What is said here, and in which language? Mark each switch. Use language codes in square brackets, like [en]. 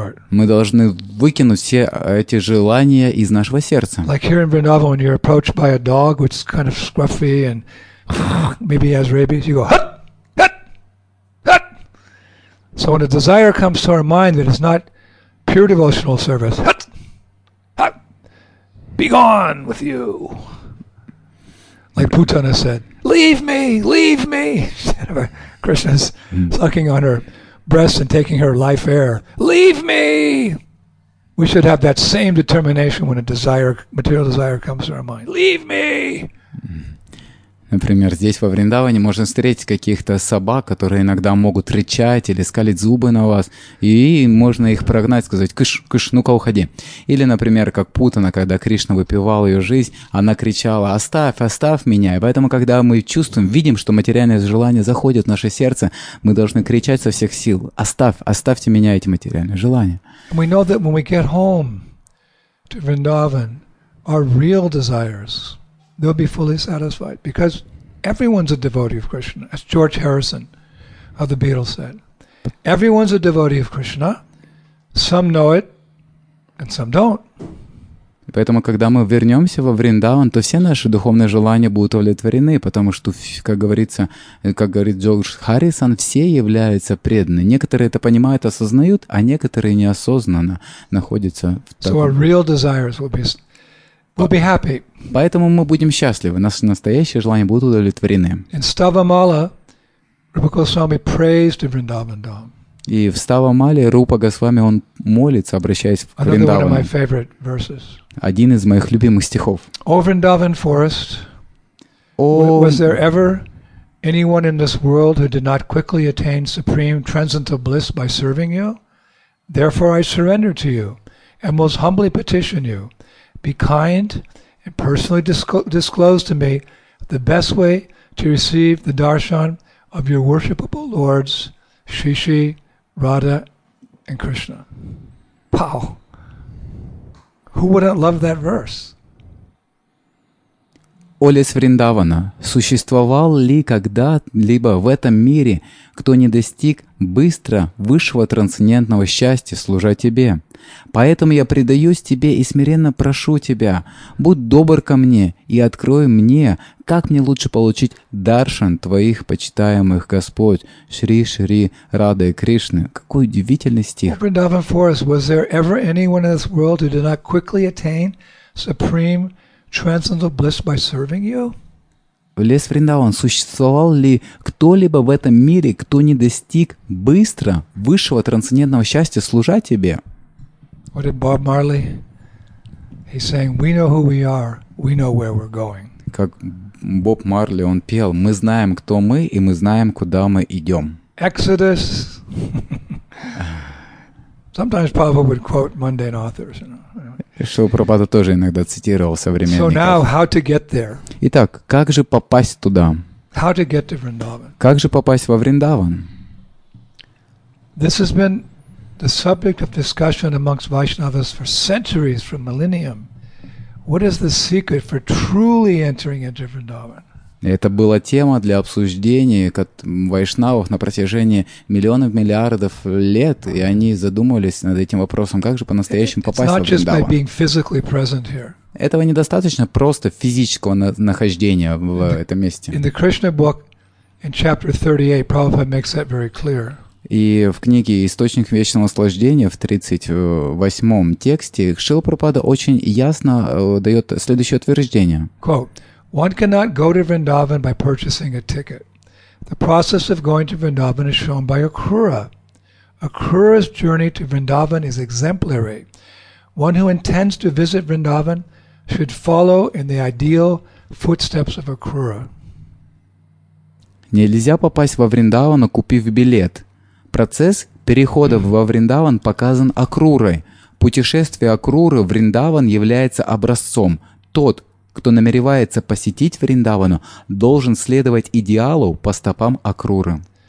[ru] Мы должны выкинуть все эти желания из нашего сердца. [en] Like here in Vrindavan, when you're approached by a dog, which is kind of scruffy and maybe has rabies, you go, "Hut! Hut! Hut!" So when a desire comes to our mind that is not pure devotional service, "Hut! Be gone with you." Like Putana said, "Leave me, leave me." Krishna's sucking on her breast and taking her life air. "Leave me." We should have that same determination when a desire, material desire comes to our mind. "Leave me." [ru] Например, здесь во Вриндаване можно встретить каких-то собак, которые иногда могут рычать или скалить зубы на вас, и можно их прогнать, сказать: "Кыш, кыш, ну-ка уходи". Или, например, как Путана, когда Кришна выпивал ее жизнь, она кричала: "Оставь, оставь меня". И поэтому, когда мы чувствуем, видим, что материальные желания заходят в наше сердце, мы должны кричать со всех сил: "Оставь, оставьте меня эти материальные желания". [en] We know that when we get home to Vrindavan, our real desires, they'll be fully satisfied because everyone's a devotee of Krishna, as George Harrison of the Beatles said. Everyone's a devotee of Krishna. Some know it and some don't. [ru] Поэтому, когда мы вернемся во Вриндаван, то все наши духовные желания будут удовлетворены, потому что, как говорится, как говорит Джордж Харрисон, все являются преданы. Некоторые это понимают, осознают, а некоторые неосознанно находятся в таком... [en] So our real desires will be happy. [ru] Поэтому мы будем счастливы, наши настоящие желания будут удовлетворены. [en] In Stavamala, Rupa Goswami praised Vrindavan Dham. [ru] И в Ставамале Рупа Госвами, он молится, обращаясь к Вриндавану. Один из моих любимых стихов. [en] О, Вриндаван Форест, was there ever anyone in this world who did not quickly attain supreme transcendental bliss by serving you? Therefore I surrender to you and most humbly petition you, be kind and personally disclose to me the best way to receive the darshan of your worshipable lords, Shri Shri, Radha and Krishna. Wow. Who wouldn't love that verse? [ru] О лес Вриндавана, существовал ли когда-либо в этом мире, кто не достиг быстро высшего трансцендентного счастья, служа тебе? Поэтому я предаюсь тебе и смиренно прошу тебя, будь добр ко мне и открой мне, как мне лучше получить даршан твоих почитаемых Господь, Шри Шри Рады и Кришны. Какой удивительный стих. [en] О, Вриндаван Форест, was there ever anyone in this world who did not quickly attain supreme transcendental bliss by serving you? [ru] Лес Вриндаван, существовал ли кто-либо в этом мире, кто не достиг быстро высшего трансцендентного счастья, служа тебе? [en] What did Bob Marley? He's saying, we know who we are, we know where we're going. [ru] Как Боб Марли, он пел, мы знаем, кто мы, и мы знаем, куда мы идем. [en] Exodus. Sometimes Prabhupada would quote mundane authors, you know. [ru] Шрила Прабхупада тоже иногда цитировал современников. [en] So now, how to get there? [ru] Итак, как же попасть туда? [en] How to get to Vrindavan? [ru] Как же попасть во Вриндаван? [en] This has been the subject of discussion amongst Vaishnavas for centuries, for millennium. What is the secret for truly entering into Vrindavan? [ru] Это была тема для обсуждения как вайшнавов на протяжении миллионов, миллиардов лет, и они задумывались над этим вопросом, как же по-настоящему попасть во Вриндаван. Этого недостаточно просто физического нахождения в этом месте. [en] In the Krishna book, in chapter 38, Prabhupada makes that very clear. [ru] И в книге «Источник вечного наслаждения» в 38-м тексте Шрила Прабхупада очень ясно дает следующее утверждение. [en] Quote, one cannot go to Vrindavan by purchasing a ticket. The process of going to Vrindavan is shown by Akura. Akura's journey to Vrindavan is exemplary. One who intends to visit Vrindavan should follow in the ideal footsteps of Akura. [ru] Нельзя попасть во Вриндаван, купив билет. Процесс перехода во Вриндаван показан Акурой. Путешествие Акуры в Вриндаван является образцом. Тот, кто намеревается посетить Вриндавану, должен следовать идеалу по стопам Акуры.